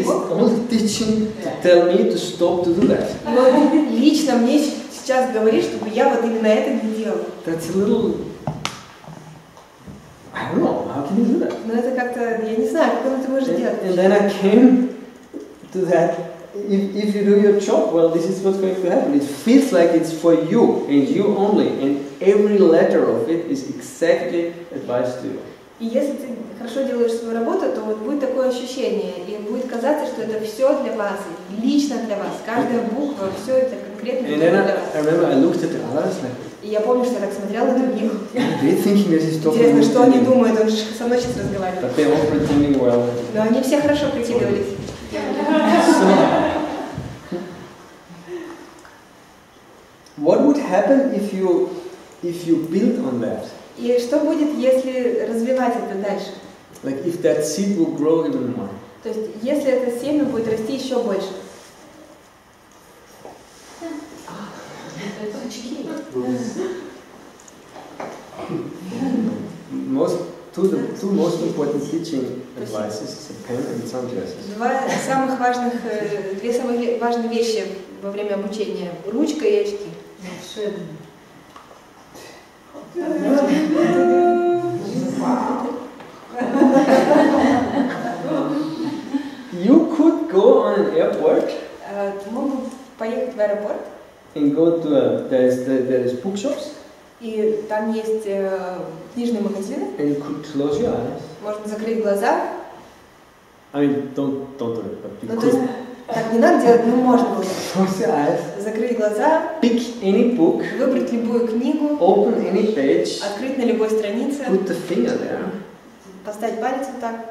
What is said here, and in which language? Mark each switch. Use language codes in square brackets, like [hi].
[en] only teaching to tell me to stop to do that. [ru] Но лично мне сейчас говоришь, чтобы я вот именно это не делал. [en] That's a little... I don't know, how can you do that? [ru] Но это как-то... Я не знаю, как он это может делать. [en] And then I came to that. If you do your job, well, this is what's going to happen. It feels like it's for you and you only, and every letter of it is exactly advice to you. [ru] И если ты хорошо делаешь свою работу, то вот будет такое ощущение, и будет казаться, что это все для вас, лично для вас, каждая буква, все это конкретно для вас. [en] And then I remember I looked at the others like. [ru] И я помню, что я так смотрела на других. [en] They're thinking that he's talking. [ru] Интересно, что они думают? Он же со мной сейчас разговаривает. [en] But they're all pretending well. [ru] Но они все хорошо прикидывались. [en] What would happen if you build on that? [ru] И что будет, если развивать это дальше? [en] Like if that seed will grow even more. [ru] То есть если это семя будет расти еще больше. [en] Two most important teaching advices is a pen and sunglasses. [ru] Два самых важных, две самых важные вещи во время обучения: ручка и очки. [en] You could go on an airport. [ru] Ты мог бы поехать в аэропорт? [en] And go to there is bookshops. [ru] И там есть книжные магазины. [en] And you could close your eyes. [ru] Можно закрыть глаза. [en] I mean, don't do it, but you could. [ru] Так не надо делать, но можно было. Закрыть глаза. [en] Pick any book. [ru] Выбрать любую книгу. [en] Open any page. [ru] Открыть на любой странице. [en] Put the finger there. [ru] Поставить палец вот так.